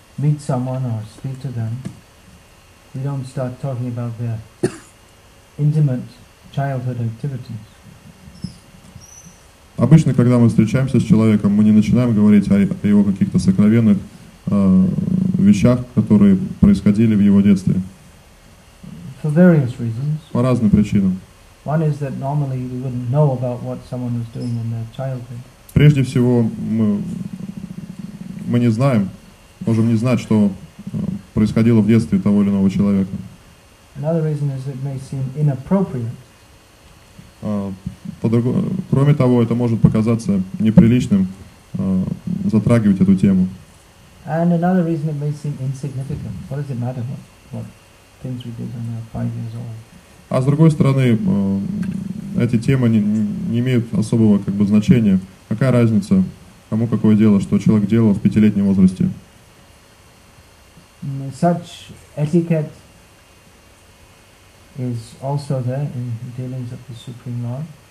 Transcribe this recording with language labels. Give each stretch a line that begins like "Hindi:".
English: meet someone or speak to them, we don't start talking about their intimate childhood activities.
Russian: Обычно, когда мы встречаемся с человеком, мы не начинаем говорить о его каких-то сокровенных вещах, которые происходили в его детстве.
English: For various reasons.
Russian: По разным причинам.
English: One is that normally we wouldn't know about what someone was doing in their childhood.
Russian: Прежде всего, мы не знаем, можем не знать, что происходило в детстве того или иного человека.
English: Another reason is it may seem inappropriate.
Russian: Кроме того, это может показаться неприличным затрагивать эту тему.
English: And another reason it may seem insignificant. What does it matter what things we did when we were 5 years old?
Russian: А с другой стороны, эти темы не имеют особого как бы значения. Какая разница, кому какое дело, что человек делал в 5-летнем возрасте?
English: Such etiquette is also there in dealings of the Supreme Lord.